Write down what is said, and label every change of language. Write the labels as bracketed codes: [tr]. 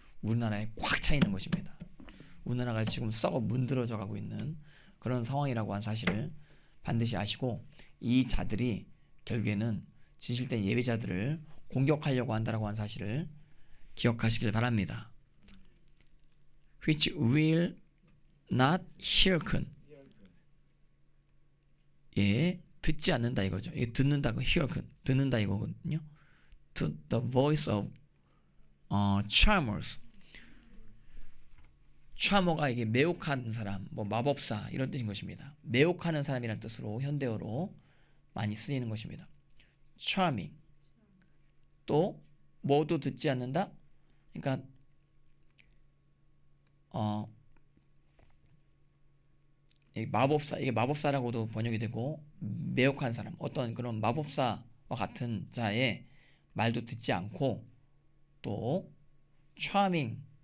[ko] 우리나라에 꽉 차 있는 것입니다. 우리나라가 지금 썩어 문드러져 가고 있는 그런 상황이라고 한 사실을 반드시 아시고, 이 자들이 결국에는 진실된 예배자들을 공격하려고 한다라고 한 사실을 기억하시길 바랍니다. [en] Which will not hearken. [ko] 예, 듣지 않는다 이거죠. 예, 듣는다, 그 hearken, 듣는다 이거거든요. [en] To the voice of charmers. [ko] 차머가 이게 매혹하는 사람, 뭐 마법사 이런 뜻인 것입니다. 매혹하는 사람이라는 뜻으로 현대어로 많이 쓰이는 것입니다. Charming. 또 모두 듣지 않는다. 그러니까 이게 마법사, 이게 마법사라고도 번역이 되고, 매혹한 사람, 어떤 그런 마법사와 같은 자의 말도 듣지 않고, 또 Charming.